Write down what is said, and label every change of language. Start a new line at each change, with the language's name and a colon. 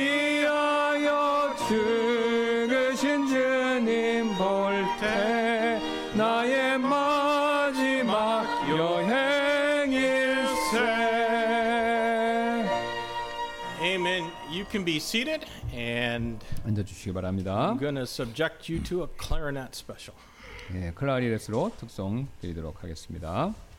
Korean: 위하여 죽으신 주님 볼 때 나의 마지막 여행일세.
English: Amen. You can be seated and
Korean: 앉아주시기 바랍니다.
English: I'm going to subject you to a clarinet special.
Korean: 네, 클라리넷으로 특송 드리도록 하겠습니다.